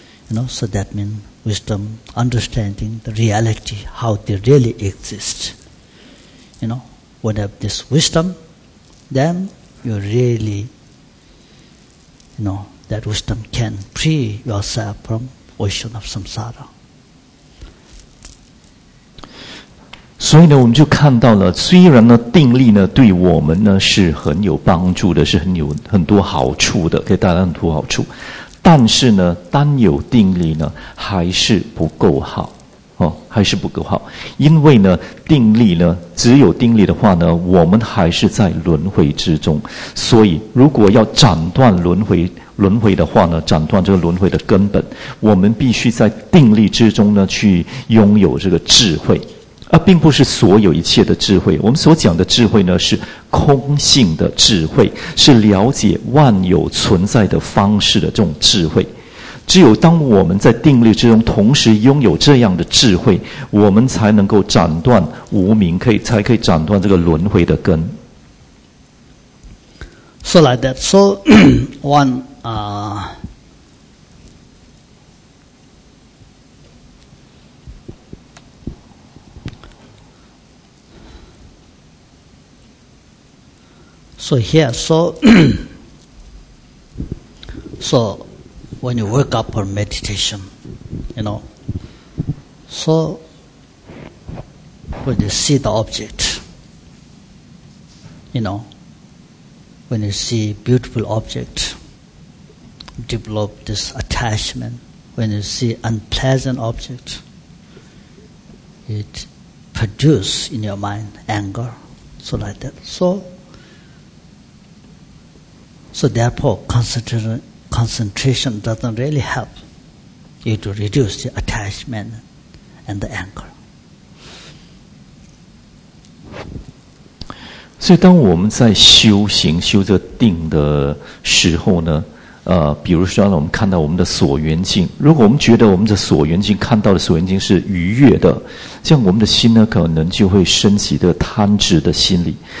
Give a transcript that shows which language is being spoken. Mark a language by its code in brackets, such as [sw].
[en] You know, so that means wisdom, understanding the reality, how they really exist. You know, when you have this wisdom, then you really, you know, that wisdom can free yourself from ocean of samsara. [zh] 所以呢，我们就看到了，虽然呢，定力呢，对我们呢是很有帮助的，是很有很多好处的，可以带来很多好处。但是呢，单有定力呢，还是不够好，哦，还是不够好。因为呢，定力呢，只有定力的话呢，我们还是在轮回之中。所以，如果要斩断轮回的话呢，斩断这个轮回的根本，我们必须在定力之中呢，去拥有这个智慧。而并不是所有一切的智慧，我们所讲的智慧呢，是空性的智慧，是了解万有存在的方式的这种智慧。只有当我们在定力之中同时拥有这样的智慧，我们才能够斩断无明，才可以斩断这个轮回的根。 [en] So like that. So one, So here, so when you wake up from meditation, you know, so when you see the object, you know, when you see beautiful object, develop this attachment. When you see unpleasant object, it produce in your mind anger, so like that. So therefore, concentration doesn't really help you to reduce the attachment and the anger. [zh] 所以当我们在修行修这定的时候呢，比如说我们看到我们的所缘境，如果我们觉得我们的所缘境看到的所缘境是愉悦的，这样我们的心呢可能就会升起的贪执的心理。